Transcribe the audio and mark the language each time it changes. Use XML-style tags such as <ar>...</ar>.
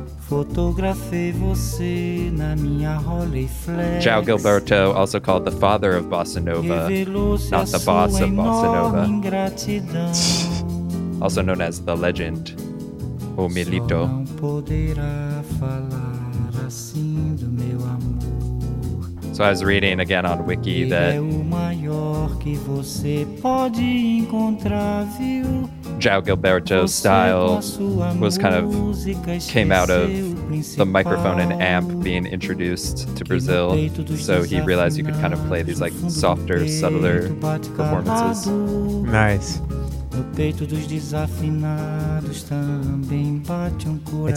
<pt>Fotografei você na minha Rolleiflex.</pt> <en>João Gilberto, also called the father of Bossa Nova, not the boss of Bossa Nova. Also known as the legend, O Milito.</en> <pt>Só não poderá falar assim do meu amor.</pt> <en>So I was reading again on Wiki that</en> <pt>é o maior que você pode encontrar, viu?</pt> <en>João Gilberto's style was kind of came out of the microphone and amp being introduced to Brazil. So he realized you could kind of play these like softer, subtler performances. Nice. And</en>